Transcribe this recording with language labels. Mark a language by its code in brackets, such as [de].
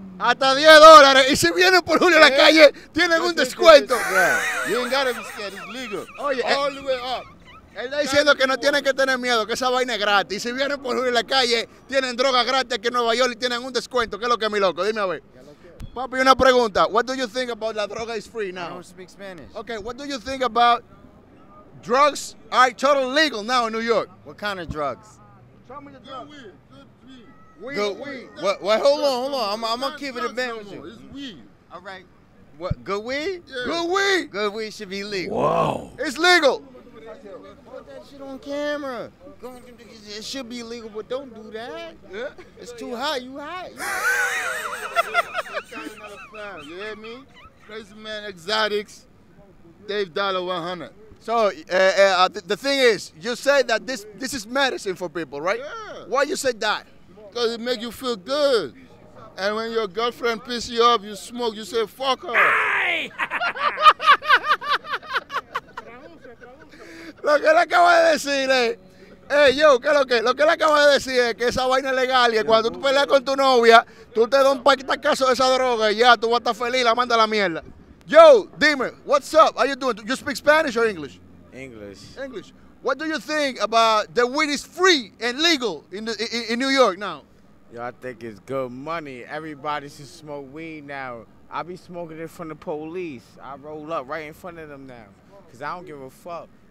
[es] Hasta $10. Y si vienen por Julio a la calle, tienen un descuento. [en] You ain't gotta be scared. It's legal. [es] Oye, [en] all the way up. [es] Él está diciendo que no tienen que tener miedo, que esa vaina es gratis. Y si vienen por Julio en la calle, tienen droga gratis aquí en Nueva York y tienen un descuento. ¿Qué es lo que es, mi loco? Dime a ver. Papi, una pregunta. [en] What do you think about [es] la droga [en] is free now? I don't speak Spanish. Okay, what do you think about drugs are totally legal now in New York? What kind of drugs? Tell me the drugs. Good weed. Good weed. Well, hold on, hold on. I'm going to keep it a bit with you. It's weed. All right. What, good weed? Yeah. Good weed. Good weed should be legal. Whoa. It's legal. Shit on camera. It should be illegal, but don't do that. Yeah. It's too hot. You hot. You hear me? Crazy Man Exotics, Dave Dollar 100. So the thing is, you said that this is medicine for people, right? Yeah. Why you say that? Because it make you feel good. And when your girlfriend piss you off, you smoke, you say, fuck her. [es] Lo que él acaba de decir es, yo, ¿qué es lo que? Lo que él acaba de decir es que esa vaina es legal y cuando tú peleas con tu novia, tú te das un paquete caso de esa droga y ya, tú vas a estar feliz, la manda a la mierda. [en] Yo, [es] dime, [en] what's up? How you doing? Do you speak Spanish or English? English. English. What do you think about the weed is free and legal in New York now? Yo, I think it's good money. Everybody should smoke weed now. I be smoking it from the police. I roll up right in front of them now because I don't give a fuck.